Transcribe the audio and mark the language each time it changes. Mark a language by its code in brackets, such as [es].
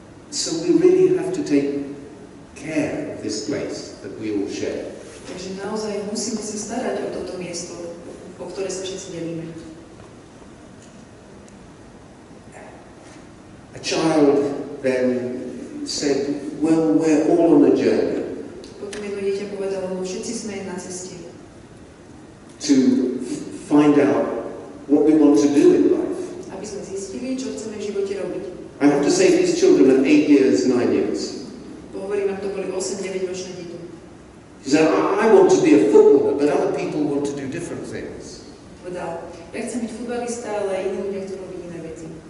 [en] So we really have to take care of this place that we all share. [sk] Takže naozaj musíme sa starať o toto miesto, o ktoré sa všetci delíme. [en] A child then said, well, we're all on a journey. [sk] Potom jedno dieťa povedalo, no všetci sme na ceste. [en] To find out what we want to do in life. [sk] Aby sme zistili, čo chceme v živote robiť. [en] I have to say these children are 8 years, 9 years. [sk] Pohovorím, ak to boli 8-9 ročné deti. [en] He said, I want to be a footballer, but other people want to do different things. [sk] Ja chcem byť futbalista, ale iní ľudia chcú robiť iné veci.